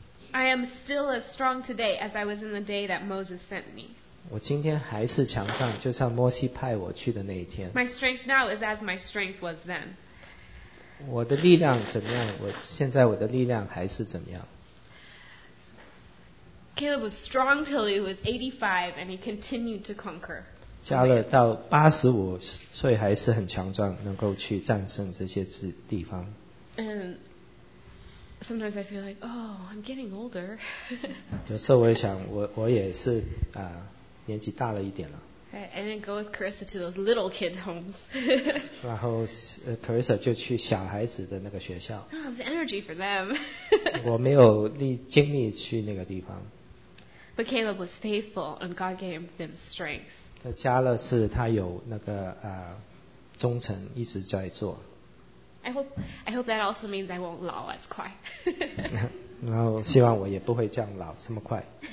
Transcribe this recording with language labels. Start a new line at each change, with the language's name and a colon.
English: I am still as strong today as I was in the day that Moses sent me.
Chinese: 我今天还是强壮，就像摩西派我去的那一天。
English: My strength now is as my strength was then.
Chinese: 我的力量怎么样？我现在我的力量还是怎么样？
English: Caleb was strong till he was 85 and he continued to conquer.
Chinese: 加勒到85岁还是很强壮，能够去战胜这些地方。
English: And sometimes I feel like, oh, I'm getting older.
Chinese: 有时候我也想，我也是啊，年纪大了一点了。
English: Okay, I didn't go with Carissa to those little kid homes.
Chinese: 然后Carissa就去小孩子的那个学校。
English: Oh, the energy for them.
Chinese: 我没有精力去那个地方。
English: But Caleb was faithful, and God gave them strength.
Chinese: 加勒是他有那个忠诚，一直在做。
English: I hope that also means I won't老as quick.
Chinese: 然后希望我也不会这样老这么快。